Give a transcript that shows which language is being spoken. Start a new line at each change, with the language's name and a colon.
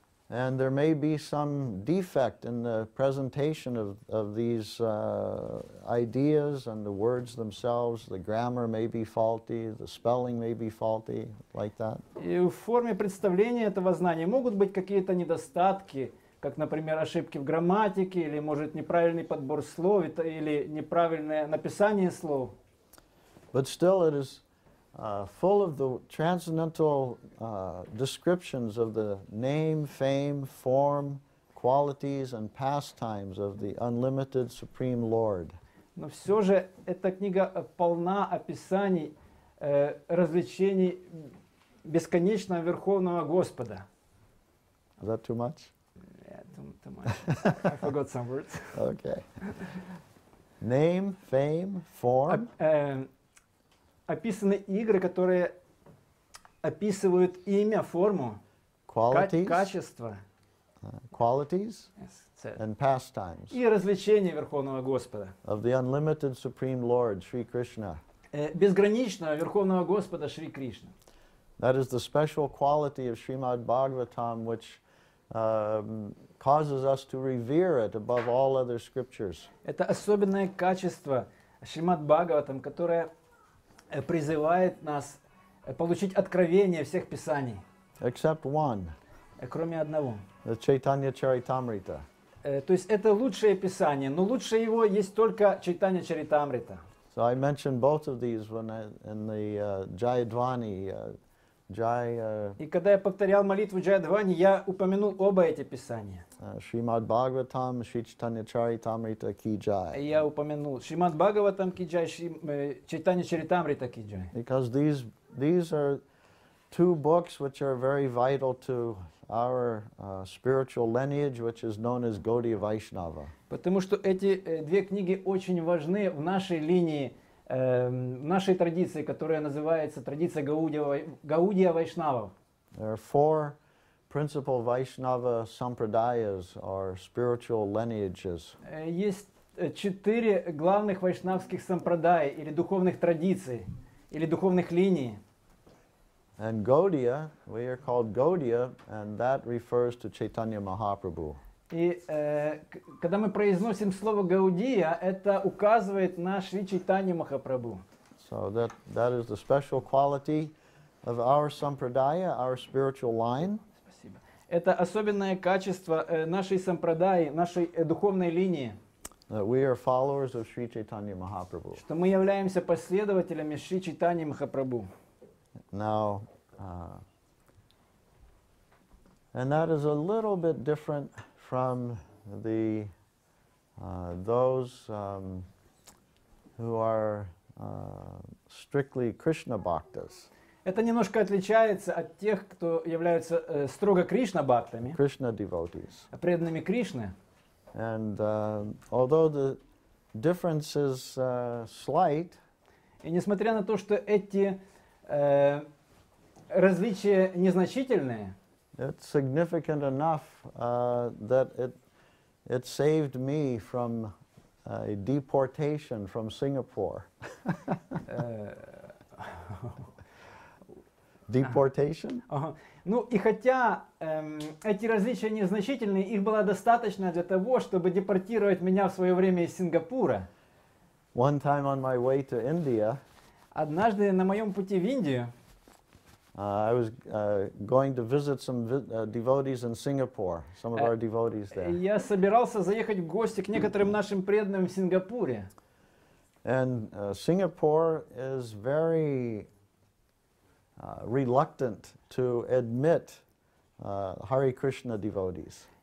English: And there may be some defect in the presentation of these ideas and the words themselves. The grammar may be faulty, the spelling may be faulty, like that.
Russian: И в форме представления этого знания могут быть какие-то недостатки, как, например, ошибки в грамматике, или, может, неправильный подбор слов, или неправильное написание слов.
English: But still it is full of the transcendental descriptions of the name, fame, form, qualities and pastimes of the unlimited Supreme Lord.
Russian: Но все же эта книга полна описаний развлечений бесконечного Верховного Господа.
English: Is that too much? Yeah, too much. I forgot some words. Okay. Name, fame, form.
Russian: Описаны игры, которые описывают имя, форму, качество.
English: Qualities yes, and pastimes.
Russian: И развлечения Верховного Господа.
English: Of the unlimited Supreme Lord, Sri Krishna.
Russian: Безграничного Верховного Господа Шри Кришна.
English: That is the special quality of Srimad Bhagavatam, which causes us to revere it above all other scriptures.
Russian: Это особенное качество Шримад Бхагаватам, которое призывает нас получить откровение всех писаний.
English: Except one.
Russian: Кроме одного.
English: The Chaitanya Charitamrita.
Russian: То есть это лучшее писание, но лучше его есть только Chaitanya Charitamrita.
English: So I mentioned both of these when I, in the Jayadvani.
Russian: И когда я повторял молитву Джайадвани, я упомянул оба эти писания. Шримад Бхагаватам, Шри Чайтанья Чаритамрита Ки Джай. Я упомянул Шримад Бхагаватам Ки Джай, Шри Чайтанья Чаритамрита Ки Джай.
English: Because these are two books which are very vital to our spiritual lineage, which is known as Gaudiya Vaishnava.
Russian: Потому что эти две книги очень важны в нашей линии. В нашей традиции, которая называется традиция Гаудия Вайшнавов.
English: There are four principal Vaishnava sampradayas or spiritual lineages.
Russian: Есть четыре главных вайшнавских сампрадая или духовных традиций или духовных линий.
English: And Gaudiya, we are called Gaudiya, and that refers to Chaitanya Mahaprabhu.
Russian: И когда мы произносим слово Гаудия, это указывает на Шри Чайтанья Махапрабху.
English: So that is the special quality of our sampradaya, our spiritual line.
Russian: Спасибо. Это особенное качество нашей сампрадаи, нашей духовной линии.
English: That we are followers of Шри Чайтанья Махапрабху.
Russian: Что мы являемся последователями Шри Чайтанья Махапрабху.
English: Now, and that is a little bit different from the those who are strictly Krishna bhaktas.
Russian: Это немножко отличается от тех, кто являются строго Кришна бхактами.
English: Krishna devotees.
Russian: Преданными Кришны.
English: And although the difference is slight.
Russian: И несмотря на то, что эти различия незначительные.
English: It's significant enough that it saved me from a deportation from Singapore. Deportation?
Russian: Ну и хотя эти различия незначительные, их было достаточно для того, чтобы депортировать меня в свое время из Сингапура.
English: One time on my way to India.
Russian: Однажды на моем пути в Индию.
English: I was going to visit some devotees in Singapore, some of our devotees there.
Russian: Я собирался заехать в гости к некоторым нашим преданным в Сингапуре.
English: And Singapore is very reluctant to admit Hare Krishna devotees.